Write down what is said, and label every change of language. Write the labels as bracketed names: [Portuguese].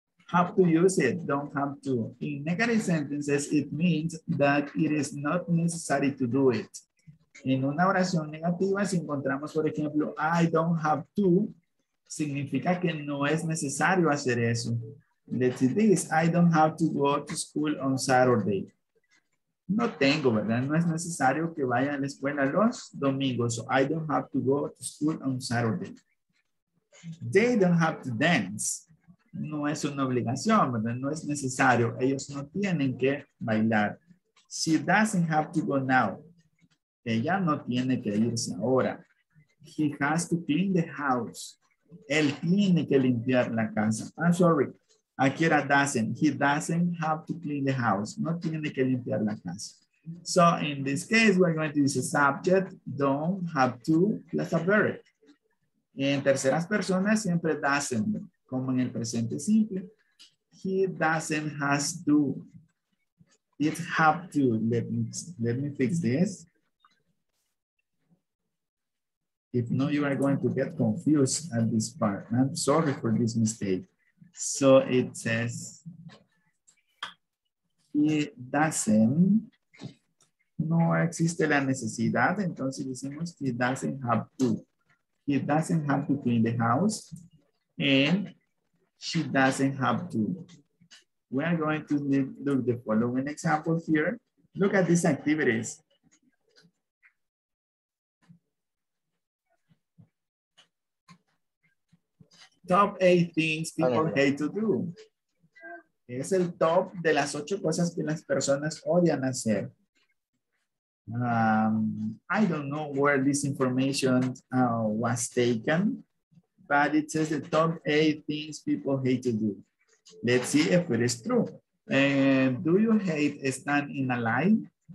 [English] Have to use it, don't have to. In negative sentences, it means that it is not necessary to do it. [Spanish] En una oración negativa, si encontramos, por ejemplo, [English] I don't have to, [Spanish] significa que no es necesario hacer eso. [English] Let's see this, I don't have to go to school on Saturday. [Spanish] No tengo, ¿verdad? No es necesario que vaya a la escuela los domingos. [English] So I don't have to go to school on Saturday. They don't have to dance. [Spanish] No es una obligación, ¿verdad? No es necesario. Ellos no tienen que bailar. [English] She doesn't have to go now. [Spanish] Ella no tiene que irse ahora. [English] He has to clean the house. [Spanish] Él tiene que limpiar la casa. [English] I'm sorry. Akira doesn't. He doesn't have to clean the house. [Spanish] No tiene que limpiar la casa. [English] So in this case, we're going to use a subject, don't have to, plus a verb. [Spanish] En terceras personas siempre doesn't, como en el presente simple. [English] He doesn't has to. It have to. Let me fix this. If no, you are going to get confused at this part. I'm sorry for this mistake. So it says, it doesn't, [Spanish] no existe la necesidad, entonces decimos, [English] it doesn't have to. It doesn't have to clean the house, and she doesn't have to. We are going to look at the following example here. Look at these activities. Top 8 things people hate to do. [Spanish] Es el top de las 8 cosas que las personas odian hacer. [English] I don't know where this information was taken, but it says the top 8 things people hate to do. Let's see if it is true. Do you hate stand in a line?